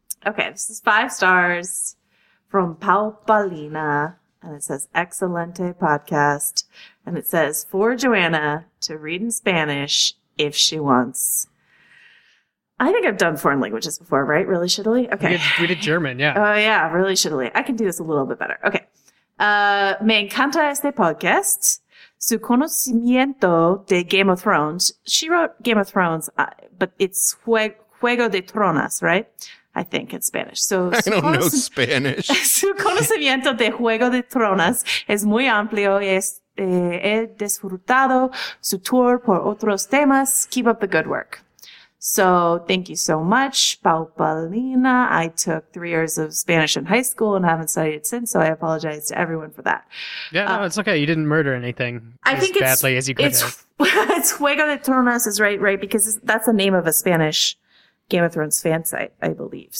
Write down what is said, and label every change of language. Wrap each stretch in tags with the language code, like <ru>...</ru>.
<en>Okay, this is 5 stars from Paupalina, and it says,</en> <es>Excelente podcast,</es> <en>and it says, for Joanna to read in Spanish if she wants. I think I've done foreign languages before, right? Really shittily? Okay. We did German, yeah. Oh, yeah, really shittily. I can do this a little bit better. Okay.</en> <es>Me encanta este podcast. su conocimiento de Game of Thrones.</es> <en>She wrote Game of Thrones, but it's Juego de Tronas, right? I think in Spanish. So I don't know Spanish.</en> <es>Su conocimiento de Juego de Tronas es muy amplio y es he disfrutado su tour por otros temas.</es> <en>Keep up the good work. So thank you so much, Pau Paulina. I took 3 years of Spanish in high school and haven't studied it since, so I apologize to everyone for that. Yeah, no, it's okay. You didn't murder anything badly as you could have. It's Juego de Tronas is right, because that's the name of a Spanish Game of Thrones fan site, I believe.</en>